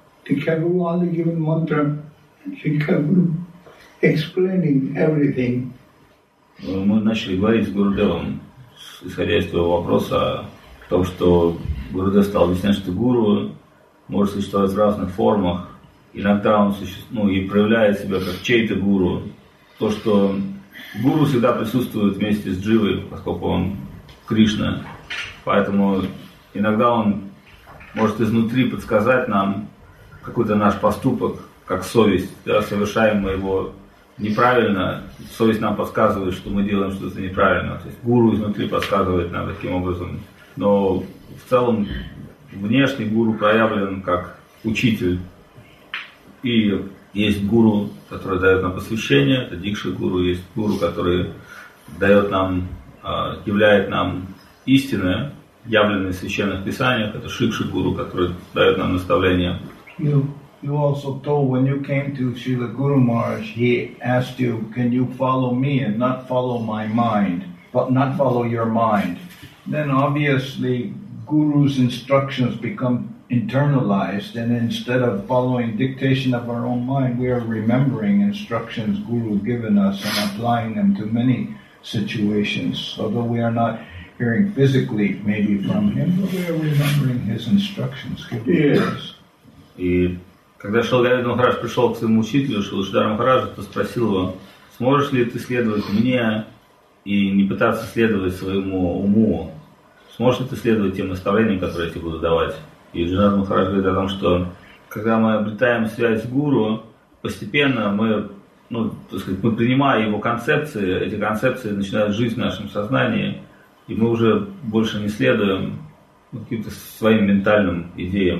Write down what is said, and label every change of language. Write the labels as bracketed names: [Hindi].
[English] Dikha Guru only given mantra, and Sikha Guru explaining everything. [Russian] Мы начали говорить с Гурудевом, исходя из твоего вопроса, о том, что Гурудев стал объяснять, что гуру может существовать в разных формах. Иногда он и проявляет себя как чей-то гуру. То, что гуру всегда присутствует вместе с Дживой, поскольку он Кришна. Поэтому иногда он может изнутри подсказать нам какой-то наш поступок, как совесть. Да, совершаем мы его неправильно, совесть нам подсказывает, что мы делаем что-то неправильно. То есть гуру изнутри подсказывает нам таким образом. Но в целом внешний гуру проявлен как учитель. И есть гуру, который дает нам посвящение, это дикша гуру. Есть гуру, который дает нам, являет нам истинное, явленные в священных писаниях, это Шикши Гуру, который дает нам наставление. [English] You also told when you came to Srila Guru Maharaj, he asked you, can you follow me and not follow my mind, but not follow your mind. Then obviously Guru's instructions become internalized, and instead of following dictation of our own mind, we are remembering instructions Guru given us and applying them to many situations. Although we are not hearing physically, maybe from him, but we are remembering his instructions. Yes. [Russian] И Когда Шилгавидра Махарадж пришел к своему учителю, Шилгавидра Махараджа, то спросил его, сможешь ли ты следовать мне и не пытаться следовать своему уму? Сможешь ли ты следовать тем наставлениям, которые я тебе буду давать? И Шилгавидра Махарадж говорит о том, что когда мы обретаем связь с гуру, постепенно мы, ну, так сказать, мы принимая его концепции, эти концепции начинают жить в нашем сознании, и мы уже больше не следуем каким-то своим ментальным идеям.